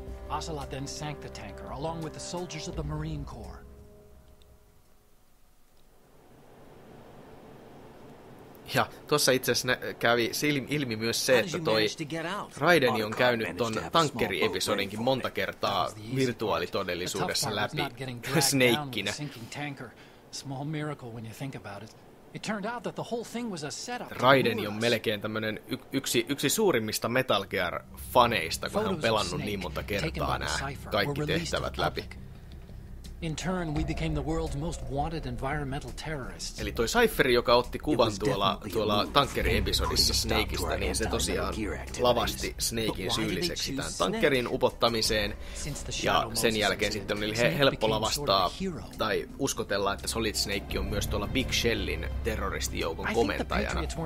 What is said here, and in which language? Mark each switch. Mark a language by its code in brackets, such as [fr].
[en] Ocelot then sank the tanker, along with the soldiers of the Marine Corps. [fi] Ja tuossa itse asiassa kävi ilmi myös se, että toi Raideni on käynyt ton tankkeri-episodinkin monta kertaa virtuaalitodellisuudessa läpi Snakeinä. [en] Small miracle when you think about it. It turned out that the whole thing was a setup. [fi] Raideni on melkein tämmönen yksi suurimmista Metal Gear -faneista, kun hän on pelannut niin monta kertaa nämä kaikki tehtävät läpi. [en] In turn, we became the world's most wanted environmental terrorists. [fi] Eli toi Cypher, joka otti kuvan tuolla tankkeri-episodissa Snakeista, niin se tosiaan lavasti Snakein syylliseksi tämän tankkerin upottamiseen. Ja sen jälkeen sitten oli helppo lavastaa tai uskotella, että Solid Snake on myös tuolla Big Shellin terroristijoukon komentajana.